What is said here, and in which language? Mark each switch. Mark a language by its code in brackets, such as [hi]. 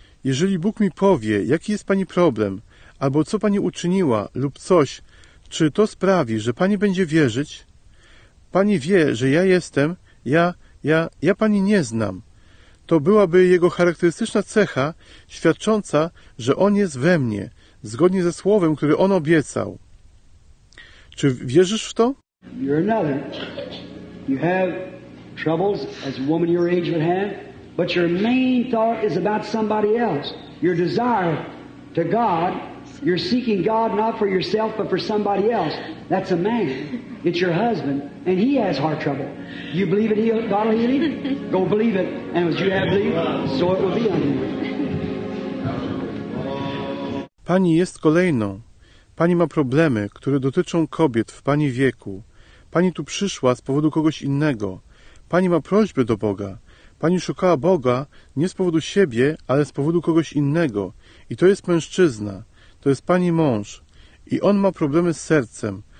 [pl] Jeżeli Bóg mi powie, jaki jest pani problem, albo co pani uczyniła, lub coś, czy to sprawi, że pani będzie wierzyć? Pani wie, że ja jestem, ja pani nie znam. to byłaby jego charakterystyczna cecha, świadcząca, że on jest we mnie, zgodnie ze słowem, które on obiecał. Czy wierzysz w to? [en] You're another. You have troubles as a woman your age would have, but your main thought is about somebody else. Your desire to God, you're seeking God not for yourself but for somebody else. That's a man. It's your husband, and he has heart trouble. You believe it, God will heal him? Go believe it, and as you have believed, so it will be on you. [pl] Pani jest kolejną. Pani ma problemy, które dotyczą kobiet w Pani wieku. Pani tu przyszła z powodu kogoś innego. Pani ma prośbę do Boga. Pani szukała Boga nie z powodu siebie, ale z powodu kogoś innego. I to jest mężczyzna. To jest Pani mąż. I on ma problemy z sercem.